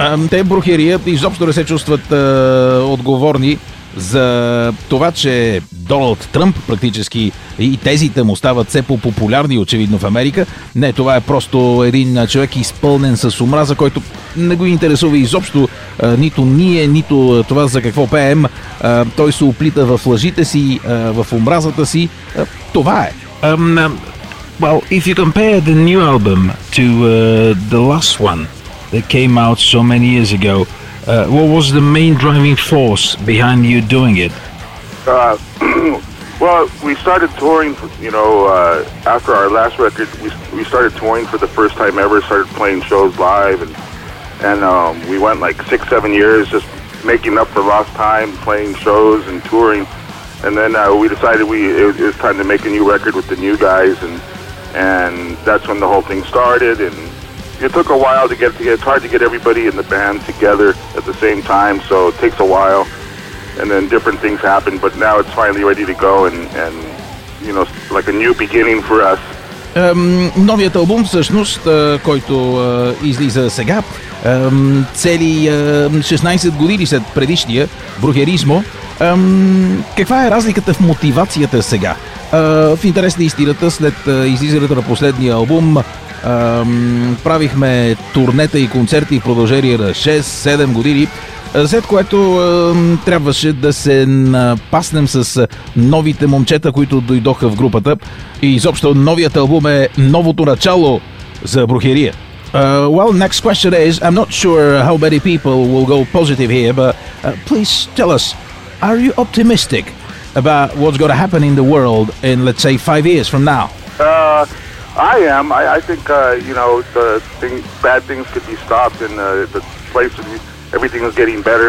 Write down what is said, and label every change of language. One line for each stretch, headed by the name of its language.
Bulgarian: Те, Брухерия, изобщо не се чувстват отговорни за това, че Доналд Тръмп практически и тезите му стават все по-популярни очевидно в Америка. Не, това е просто един човек изпълнен с омраза, който не го интересува изобщо нито ние, нито това за какво пеем. Той се оплита в лъжите си, в омразата си. Това е.
English: Well, if you compare the new album to the last one that came out so many years ago, what was the main driving force behind you doing it? Well, we started touring, you know, after our last record, we started touring for the first time ever, started playing shows live, and we went like 6-7 years just making up for lost time, playing shows and touring, and then we decided it was time to make a new record with the new guys, and that's when the whole thing started, and it took a while to get together. It's hard to get everybody in the band together at the same time, so it takes a while. And then different things happen, but now it's finally ready to go and you know, like a new beginning for us.
Bulgarian: Новият албум всъщност, който излиза сега, цели 16 години след предишния, Брухеризмо. Каква е разликата в мотивацията сега? В интерес на истината, след излизането на последния албум, правихме турнета и концерти в продължение на 6-7 години, след което трябваше да се напаснем с новите момчета, които дойдоха в групата. И изобщо новият албум е новото начало за Брухерия.
English: Well, next question is, I'm not sure how many people will go positive here, but please tell us, are you optimistic about what's going to happen in the world in, let's say, 5 years from now? I am. I think, you know, bad things could be stopped in the place of... Everything was getting better.